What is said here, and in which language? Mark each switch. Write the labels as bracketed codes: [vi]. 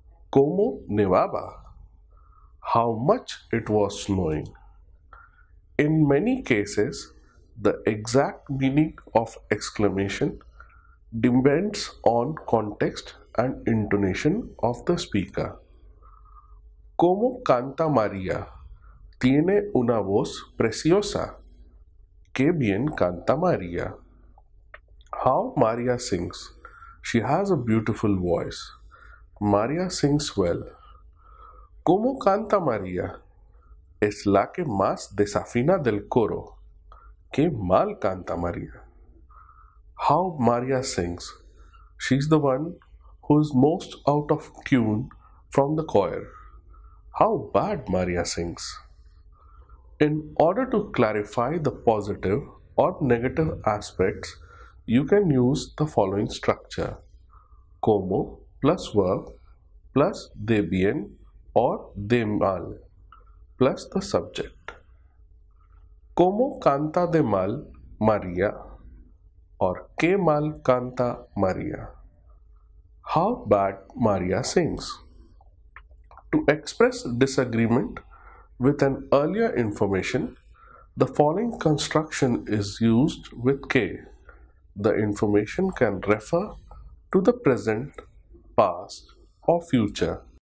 [es] Como nevaba? [en] How much it was snowing. In many cases, the exact meaning of exclamation depends on context and intonation of the speaker. [es] ¿Cómo canta María? Tiene una voz preciosa. ¿Qué bien canta María? [en] How Maria sings. She has a beautiful voice. Maria sings well. [es] ¿Cómo canta María? Es la que más desafina del coro. ¡Qué mal canta María! [en] How Maria sings. She's the one who is most out of tune from the choir. How bad Maria sings. In order to clarify the positive or negative aspects, you can use the following structure. Como plus verb plus de bien or de mal plus the subject. [es] Como canta de mal María or qué mal canta María. [en] How bad Maria sings. To express disagreement with an earlier information, the following construction is used with K. The information can refer to the present, past, or future.